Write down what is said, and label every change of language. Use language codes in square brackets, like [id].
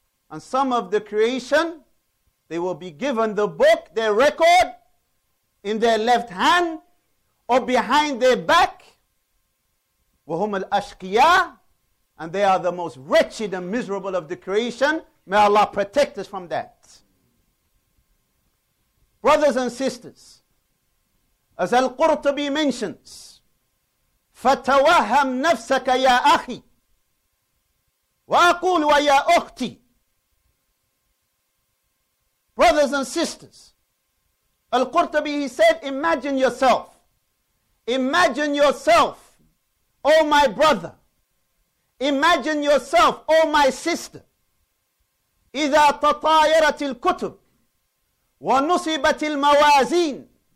[en] And some of the creation, they will be given the book, their record, in their left hand or behind their back. [ar] وَهُمَ الْأَشْقِيَاءُ. [en] And they are the most wretched and miserable of the creation. May Allah protect us from that. Brothers and sisters, as Al-Qurtubi mentions, [ar] فَتَوَهَّمْ نَفْسَكَ يَا أَخِي وَأَقُولْ وَيَا أُخْتِي. [en] Brothers and sisters, Al-Qurtubi, he said, imagine yourself. Imagine yourself, O my brother. Imagine yourself, O my sister. [ar] إِذَا تَطَايَرَتِ الْكُتُبِ وَنُصِبَتِ الْمَوَازِينِ.